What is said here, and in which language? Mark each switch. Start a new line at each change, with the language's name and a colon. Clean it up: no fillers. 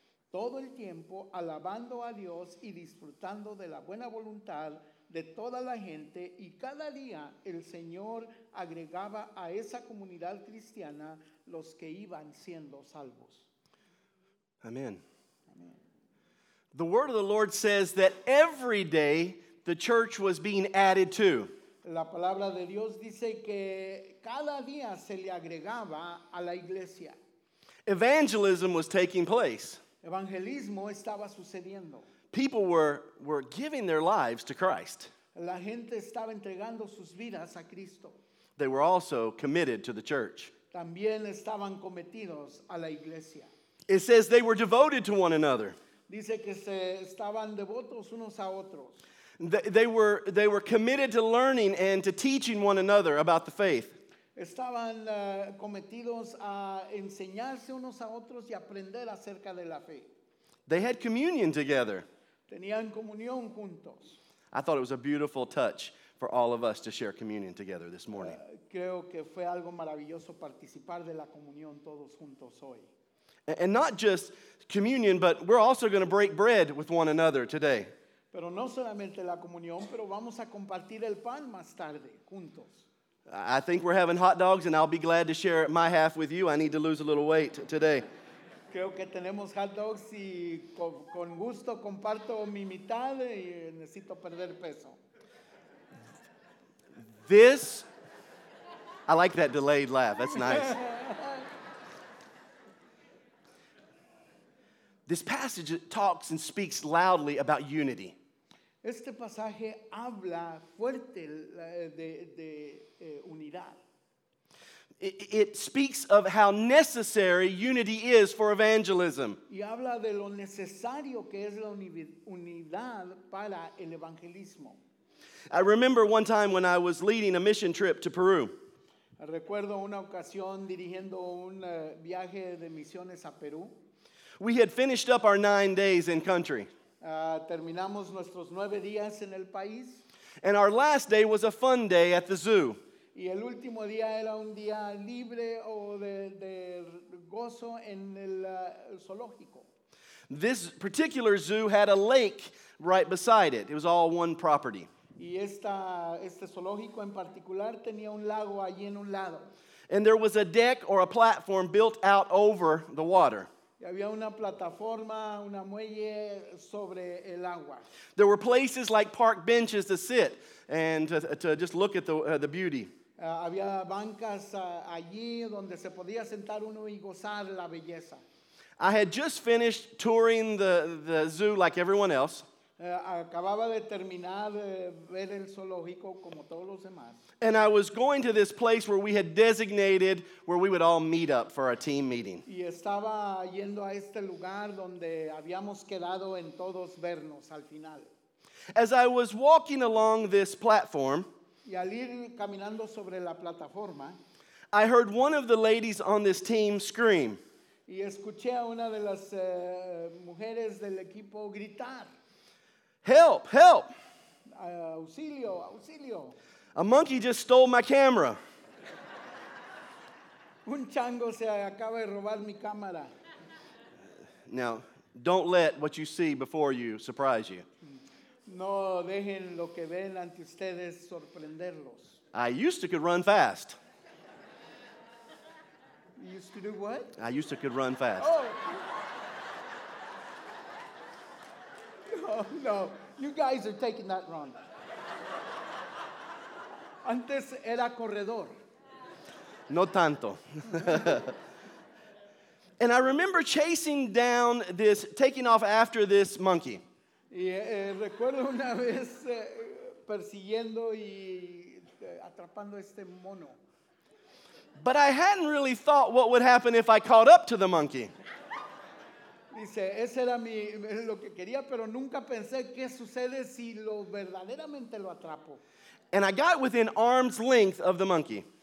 Spanish: Todo el tiempo alabando a Dios y disfrutando de la buena voluntad de toda la gente, y cada día el Señor agregaba a esa comunidad cristiana los que iban siendo salvos.
English: Amen. Amen. The word of the Lord says that every day the church was being added to.
Spanish: La palabra de Dios dice que cada día se le agregaba a la iglesia.
English: Evangelism was taking place.
Spanish: Evangelismo estaba sucediendo.
English: People were giving their lives to Christ.
Spanish: La gente estaba entregando sus vidas a Cristo.
English: They were also committed to the church.
Spanish: También estaban cometidos a la iglesia.
English: It says they were devoted to one another.
Spanish: Dice que se estaban devotos unos a otros.
English: They were committed to learning and to teaching one another about the faith.
Spanish: Estaban cometidos a enseñarse unos a otros y aprender acerca de la fe.
English: They had communion together.
Spanish: Tenían comunión juntos.
English: I thought it was a beautiful touch for all of us to share communion together this morning.
Spanish: Creo que fue algo maravilloso participar de la comunión todos juntos hoy.
English: And not just communion, but we're also going to break bread with one another today.
Spanish: Pero no solamente la comunión, pero vamos a compartir el pan más tarde juntos.
English: I think we're having hot dogs, and I'll be glad to share my half with you. I need to lose a little weight today.
Spanish: Creo que tenemos hot dogs y con gusto comparto mi mitad y necesito perder peso.
English: This, I like that delayed laugh. That's nice. This passage talks and speaks loudly about unity.
Spanish: Este pasaje habla fuerte de unidad.
English: It speaks of how necessary unity is for evangelism.
Spanish: Y habla de lo necesario que es la unidad para el evangelismo.
English: I remember one time when I was leading a mission trip to Peru.
Spanish: Recuerdo una ocasión dirigiendo un viaje de misiones a Perú.
English: We had finished up our 9 days in country.
Spanish: Terminamos nuestros 9 días en el país.
English: And our last day was a fun day at the zoo.
Spanish: Y el último día era un día libre o de gozo en el zoológico.
English: This particular zoo had a lake right beside it. It was all one property.
Spanish: Y este zoológico en particular tenía un lago allí en un lado.
English: And there was a deck or a platform built out over the water.
Spanish: Y había una plataforma, una muelle sobre el agua.
English: There were places like park benches to sit and to just look at the beauty.
Spanish: Había bancas allí donde se podía sentar uno y gozar la belleza.
English: I had just finished touring the zoo like everyone else.
Spanish: Acababa de terminar de ver el zoológico como todos los demás.
English: And I was going to this place where we had designated where we would all meet up for a team meeting.
Spanish: Y estaba yendo a este lugar donde habíamos quedado en todos vernos al final.
English: As I was walking along this platform,
Spanish: y al ir caminando sobre la plataforma,
English: I heard one of the ladies on this team scream.
Spanish: Y escuché a una de las mujeres del equipo gritar.
English: Help, help.
Spanish: Auxilio, auxilio.
English: A monkey just stole my camera.
Spanish: Un chango se acaba de robar mi cámara.
English: Now, don't let what you see before you surprise you.
Spanish: No dejen lo que ven ante ustedes sorprenderlos.
English: I used to could run fast. You used to do what? I used to could run fast. Oh. Oh, no. You guys are taking that wrong.
Spanish: Antes era corredor. No tanto.
English: And I remember chasing down this, taking off after this monkey.
Spanish: Y recuerdo una vez persiguiendo y atrapando este mono.
English: But I hadn't really thought what would happen if I caught up to the monkey.
Spanish: Dice, ese era mi lo que quería, pero nunca pensé qué sucede si lo verdaderamente lo atrapo.
English: And I got within arm's length of the monkey.